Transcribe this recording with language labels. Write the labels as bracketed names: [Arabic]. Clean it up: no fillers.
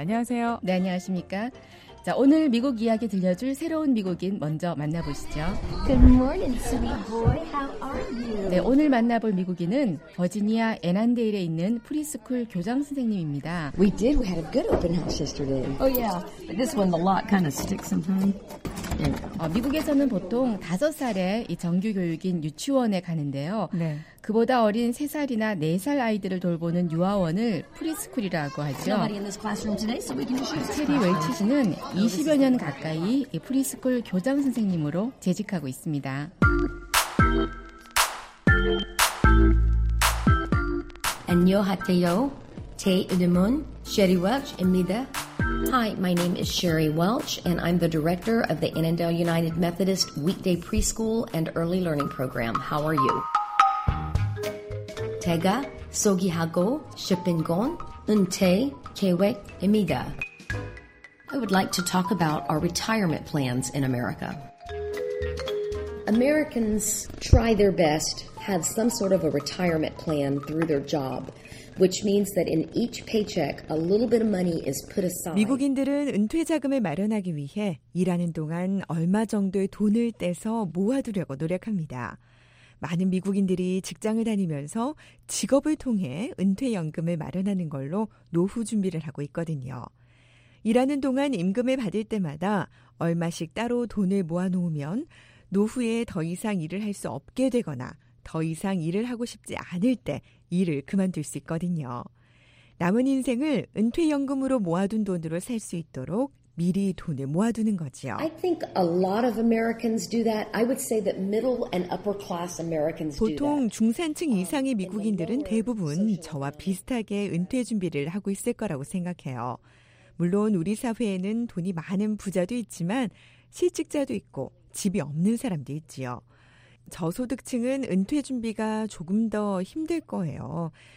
[Korean] 안녕하세요. 네, 안녕하십니까. 자, 오늘 미국 이야기 들려줄 새로운 미국인 먼저 만나보시죠. [English] Good morning, sweet boy. How are you? [Korean] 네, 오늘 만나볼 미국인은 버지니아 애난데일에 있는 프리스쿨 교장 선생님입니다. [English] We did. We had a good open house yesterday. Oh yeah. But this one the lock kind of sticks sometimes. [Korean] 미국에서는 보통 5살에 이 정규 교육인 유치원에 가는데요. 네. 그보다 어린 3살이나 4살 아이들을 돌보는 유아원을 프리스쿨이라고 하죠. 체리 웰치 씨는 20여 년 가까이 프리스쿨 교장 선생님으로 재직하고 있습니다. 안녕하세요. 제 이름은 체리 웰치입니다. [English] Hi, my name is Sherry Welch, and I'm the director of the Annandale United Methodist Weekday Preschool and Early Learning Program. How are you? [Korean] 제가 소개하고 싶은 건 은퇴 계획입니다. [English] I would like to talk about our retirement plans in America. Americans try their best, have some sort of a retirement plan through their job, which means that in each paycheck, a little bit of money is put aside. [Korean] 미국인들은 은퇴 자금을 마련하기 위해 일하는 동안 얼마 정도의 돈을 떼서 모아두려고 노력합니다. 많은 미국인들이 직장을 다니면서 직업을 통해 은퇴연금을 마련하는 걸로 노후 준비를 하고 있거든요. 일하는 동안 임금을 받을 때마다 얼마씩 따로 돈을 모아놓으면 노후에 더 이상 일을 할 수 없게 되거나 더 이상 일을 하고 싶지 않을 때 일을 그만둘 수 있거든요. 남은 인생을 은퇴연금으로 모아둔 돈으로 살 수 있도록 미리 돈을 모아두는 거죠. [English] I think a lot of Americans do that. I would say that middle and upper class Americans do that. [Korean] 보통 중산층 이상의 미국인들은 대부분 저와 비슷하게 은퇴 준비를 하고 있을 거라고 생각해요. 물론 우리 사회에는 돈이 많은 부자도 있지만 실직자도 있고 집이 없는 사람도 있지요. 저소득층은 은퇴 준비가 조금 더 힘들 거예요.